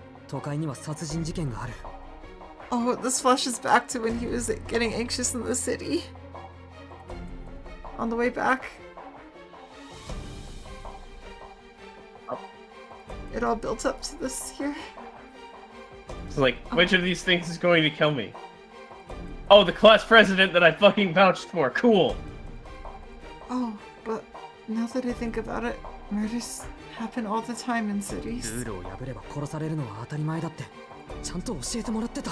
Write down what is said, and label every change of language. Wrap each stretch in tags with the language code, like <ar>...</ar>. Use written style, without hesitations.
<ja>都会には殺人事件がある。</ja> <en>Oh, this flashes back to when he was getting anxious in the city. On the way back. It all built up to this here. It's like, which of these things is going to kill me? Oh, the class president that I fucking vouched for. Cool. Oh, but now that I think about it, murders happen all the time in cities.</en> <ja>ルールを破れば殺されるのは当たり前だって。ちゃんと教えてもらってた。</ja>